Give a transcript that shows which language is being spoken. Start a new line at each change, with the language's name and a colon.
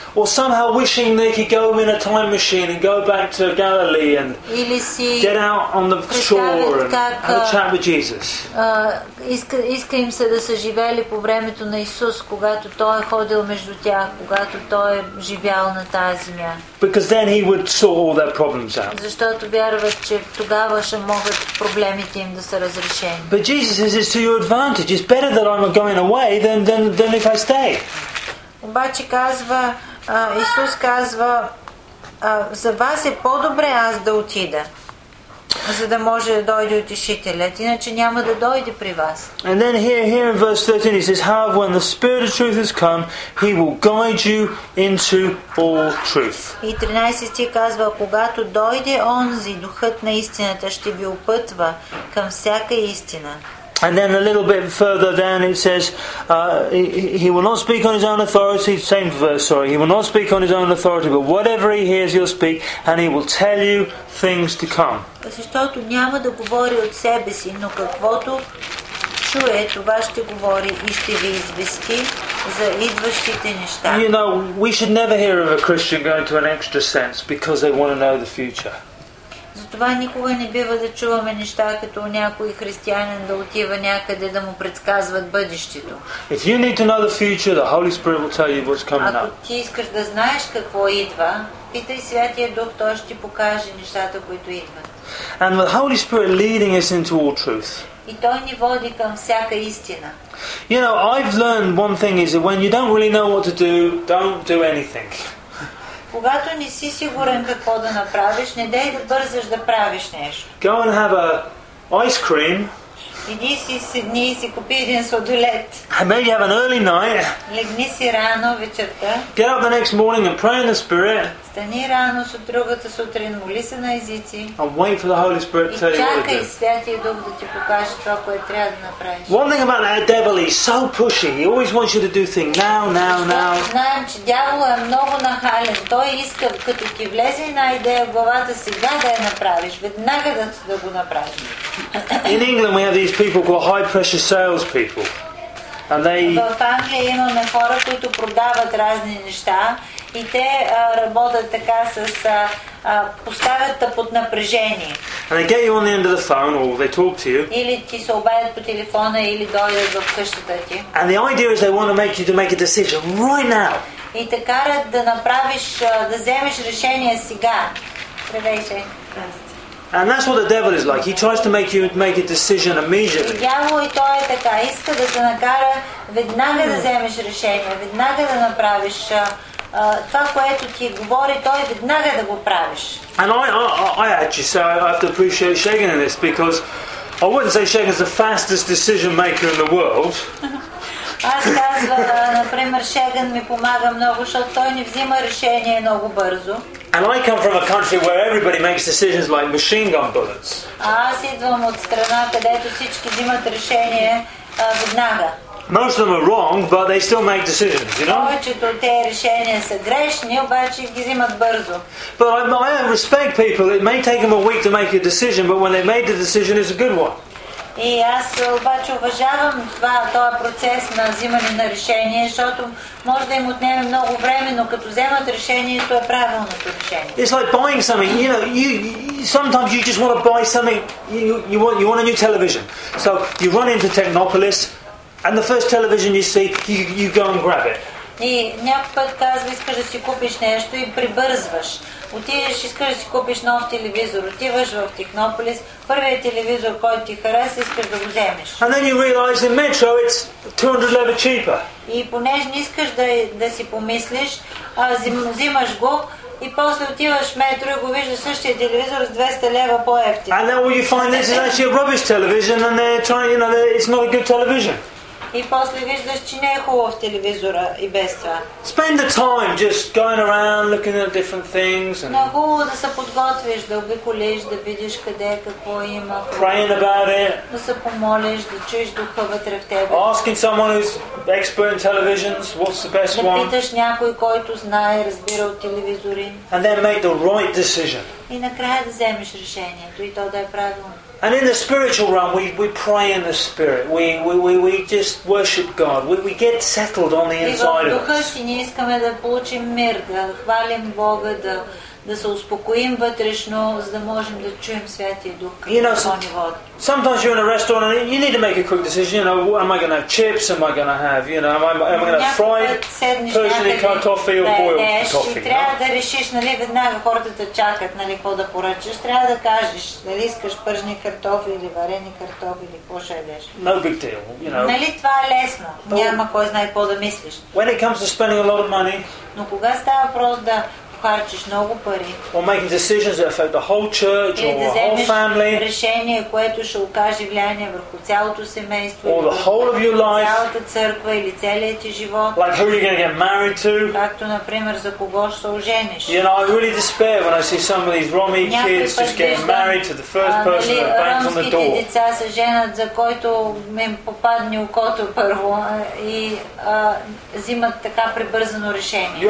English: Or somehow wishing they could go in a time machine and go back to Galilee and get out on the shore and have a chat with Jesus.
Bulgarian: Иска им се да са живели по времето на Исус, когато той е ходил между тях, когато той е живял на тази земя.
English: Because then he would sort all their problems out.
Bulgarian: Защото вярват, че тогава ще могат проблемите им да се разрешени.
English: But Jesus says it's to your advantage. It's better that I'm going away than if I stay.
Bulgarian: Обаче казва, Исус казва, за вас е по-добре аз да отида, за да може да дойде утешителят, иначе няма да дойде при вас.
English: And then here in verse 13 he says, however, when the Spirit of truth has come, he will guide you into all truth.
Bulgarian: И 13 стих казва, когато дойде онзи, духът на истината ще ви опътва към всяка истина.
English: And then a little bit further down it says, he will not speak on his own authority, same verse, sorry, he will not speak on his own authority, but whatever he hears he'll speak, and he will tell you things to come.
Bulgarian: Защото няма да говори от себе си, но каквото чуе, това ще говори и ще ви извести за идващите неща.
English: You know, we should never hear of a Christian going to an extra sense because they want to know the future.
Bulgarian: Затова никога не бива да чуваме неща като някой християнин да отива някъде да му предсказват бъдещето.
English: If you need to know the future, the Holy Spirit will tell you what's coming up.
Bulgarian: Ако ти искаш да знаеш какво идва, питай Святия Дух, той ще ти покаже нещата, които идват.
English: And the Holy Spirit leading us into all truth.
Bulgarian: И той ни води към всяка истина.
English: You know, I've learned one thing is that when you don't really know what to do, don't do anything.
Bulgarian: Когато не си сигурен какво да направиш, не дай да бързаш да правиш нещо.
English: Go and have a ice cream.
Bulgarian: Иди си седни и си купи един сладолед.
English: And maybe have an early night.
Bulgarian: Легни си рано вечерта.
English: Get up the next morning and pray in the Spirit.
Bulgarian: Стани рано с другата сутрин, моли се на езици.
English: And wait for the Holy Spirit to tell you what to do.
Bulgarian: Чакай Святия Дух да ти покаже това, което трябва да направиш.
English: One thing about the devil, he's so pushy. He always wants you to do things now.
Bulgarian: Знаем, че дяволът е много нахален. Той иска, като ти влезе една идея в главата, сега да я направиш, веднага да го направиш.
English: In England we have these people called high pressure sales people. And they
Bulgarian: в Англия имаме хора, които продават разни неща. И те работят така с поставят те под напрежение.
English: And they get you on the end of the phone or they talk to you.
Bulgarian: Или ти се обадят по телефона или дойдат в къщата ти.
English: And the idea is they want to make you to make a decision right now.
Bulgarian: И те карат да направиш да вземеш решение сега. Привеше.
English: And that's what the devil is like. He tries to make you make a decision immediately.
Bulgarian: Дявол и той е така, иска да те накара веднага да вземеш решение, веднага да направиш това, което ти говори, той веднага да го правиш.
English: And I actually say I have to appreciate Shagan in this because I wouldn't say Shagan is the fastest decision maker in the world.
Bulgarian: Аз казвам, например, Шеган ми помага много, защото той не взима решение много бързо.
English: And I come from a country where everybody makes decisions like machine gun bullets.
Bulgarian: Аз идвам от страна, където всички взимат решение веднага.
English: Most of them are wrong, but they still make decisions, you know?
Bulgarian: Повечето от тези решения са грешни, обаче ги взимат бързо.
English: But I respect people. It may take them a week to make a decision, but when they made the decision, it's a good one.
Bulgarian: И аз обаче уважавам този процес на взимане на решение, защото може да им отнеме много време, но като вземат решението е правилното решение.
English: It's like buying something. You know, sometimes you just want to buy something. You want a new television. So you run into Technopolis. And the first television you see, you go and grab it.
Bulgarian: И някой път казва, искаш да си купиш нещо и прибързваш. Отидеш, искаш да си купиш нов телевизор, отиваш в Технополис, първият телевизор, който ти хареса, искаш да го вземеш.
English: And then you realize in Metro it's 200 lever cheaper.
Bulgarian: И понеже не искаш да си помислиш, взимаш го и после отиваш в Метро и го виждаш същия телевизор с 200 лева по-евтин.
English: And then what you find is actually a rubbish television and they're trying, you know, it's not a good television.
Bulgarian: И после виждаш, че не е хубав телевизора и без това.
English: Spend the time just going around looking at different things and
Bulgarian: много да се подготвиш, да обиколиш, да видиш къде какво има.
English: Praying about it.
Bulgarian: Да се помолиш, да чуеш духа вътре в тебе.
English: Asking someone who's expert in televisions what's the best one.
Bulgarian: Да питаш някой, който знае, разбира от телевизори.
English: And then make the right decision.
Bulgarian: И накрая да вземеш решението и то да е правилно.
English: And in the spiritual realm, we pray in the spirit. We just worship God. We get settled on the inside of us.
Bulgarian: Ние искаме да получим мир, да хвалим Бога, да се успокоим вътрешно, за да можем да чуем Святия Дух.
English: Sometimes you're in a restaurant and you need to make a quick decision. You know, am I going to have chips? Am I going to have, you know, am I going to fry Persian kartoffel or boiled kartoffel?
Bulgarian: Трябва да решиш, нали, веднага хората те чакат, нали, какво да поръчаш. Трябва да кажеш, нали, искаш пържени картофи или варени картофи или какво ще ядеш.
English: No big deal, you know.
Bulgarian: Нали, това е лесно. Няма кой знае какво да мислиш.
English: When it comes to spending a lot of money,
Bulgarian: но кога става въпрос да харчиш много пари.
English: Or making decisions that affect the whole church or the whole family.
Bulgarian: Решение, което ще окаже влияние върху цялото семейство.
English: Or the whole of your life.
Bulgarian: Цялата църква или целия ти живот.
English: Like who are you going to get married to?
Bulgarian: Както, например, за кого ще се ожениш.
English: You know, I really despair when I see some of these Romy kids just getting married to the first person that bangs on the door.
Bulgarian: Ромските деца се женят за който им попадне окото първо и взимат така прибързано решение.